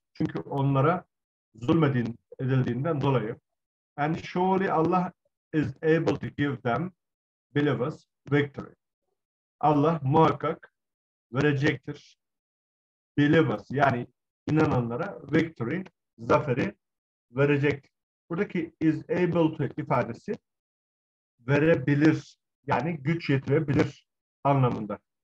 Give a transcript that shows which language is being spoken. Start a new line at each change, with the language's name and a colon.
Turkish: Çünkü onlara zulmedildiğinden dolayı.
English: And surely Allah is able to give them, believers, victory.
Turkish: Allah muhakkak verecektir, believers, yani inananlara victory, zaferi verecektir. Buradaki
English: is able to
Turkish: ifadesi verebilir, yani güç yetirebilir anlamında.